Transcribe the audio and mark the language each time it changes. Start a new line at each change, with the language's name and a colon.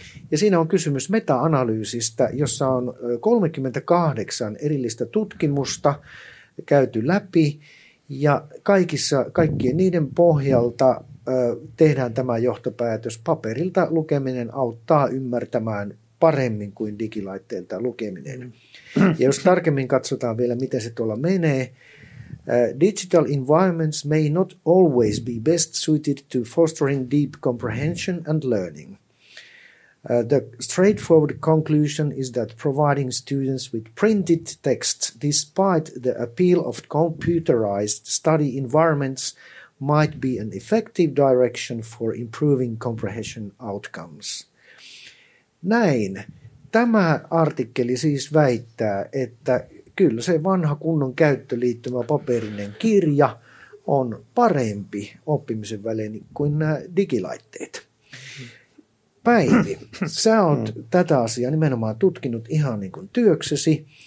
Finnish: Ja siinä on kysymys meta-analyysistä, jossa on 38 erillistä tutkimusta käyty läpi. Ja kaikkien niiden pohjalta tehdään tämä johtopäätös. Paperilta lukeminen auttaa ymmärtämään paremmin kuin digilaitteilta lukeminen. Ja jos tarkemmin katsotaan vielä, miten se tuolla menee.
English: Digital environments may not always be best suited to fostering deep comprehension and learning. The straightforward conclusion is that providing students with printed texts, despite the appeal of computerized study environments, might be an effective direction for improving comprehension outcomes.
Finnish: Näin. Tämä artikkeli siis väittää, että kyllä se vanha kunnon käyttöliittymä paperinen kirja on parempi oppimisen väline kuin nämä digilaitteet. Päivi, sä oot tätä asiaa nimenomaan tutkinut ihan niin kuin työksesi.